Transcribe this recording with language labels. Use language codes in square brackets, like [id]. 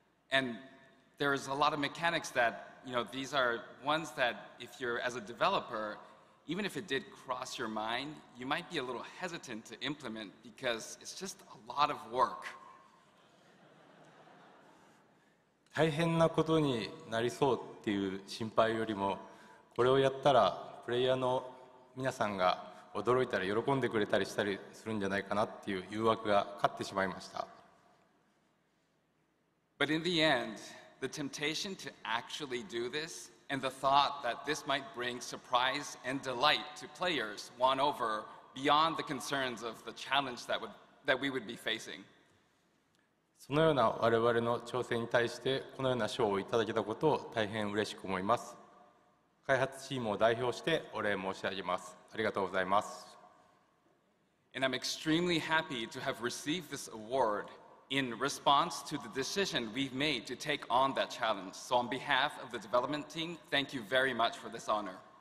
[en] And there's a lot of mechanics that, you know, these are ones that if you're, as a developer, even if it did cross your mind, you might be a little hesitant to implement because it's just a lot of work. [ja] 大変なことになりそうっていう心配よりも、これをやったらプレイヤーの皆さんが驚いたり喜んでくれたりしたりするんじゃないかなっていう誘惑が勝ってしまいました。 [en] But in the end, the temptation to actually do this and the thought that this might bring surprise and delight to players won over beyond the concerns of the challenge that we would be facing. [ja] そのような我々の挑戦に対してこのような賞をいただけたことを大変嬉しく思います。開発チームを代表してお礼申し上げます。ありがとうございます。 [en] And I'm extremely happy to have received this award in response to the decision we've made to take on that challenge. So on behalf of the development team, thank you very much for this honor.